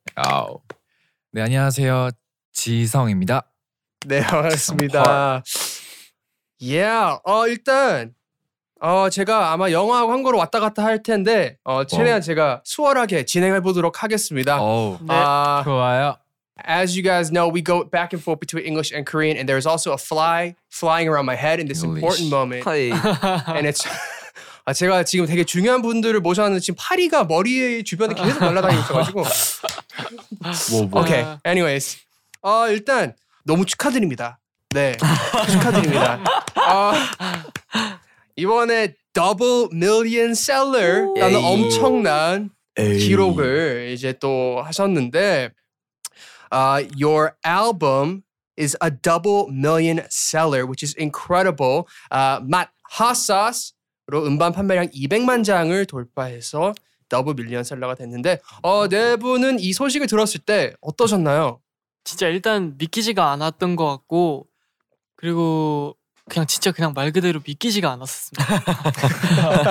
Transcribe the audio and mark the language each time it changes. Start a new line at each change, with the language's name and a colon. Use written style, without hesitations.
Korean: 야오. 네, 안녕하세요, 지성입니다. 네, 반갑습니다.
English: Yeah,
Korean: 일단 제가 아마 영어하고 한국어로 왔다 갔다 할 텐데 최대한 제가 수월하게 진행해 보도록 하겠습니다. 네. 좋아요.
English: As you guys know, we go back and forth between English and Korean, and there's also a fly flying around my head in this important moment. And it's
Korean: 제가 지금 되게 중요한 분들을 모셔왔는데 지금 파리가 머리 주변에 계속 날아다니고 있어가지고. 뭐.
English: Okay. Anyways,
Korean: 일단 너무 축하드립니다. 네, 축하드립니다. 이번에 더블 밀리언 셀러라는 엄청난 기록을 이제 또 하셨는데
English: your album is a double million seller, which is incredible.
Korean: Matt Hossas로 음반 판매량 200만 장을 돌파해서 더블 밀리언 셀러가 됐는데 네 분은 이 소식을 들었을 때 어떠셨나요? 진짜 일단 믿기지가 않았던 것 같고 그리고 그냥 진짜 그냥 말 그대로 믿기지가 않았습니다.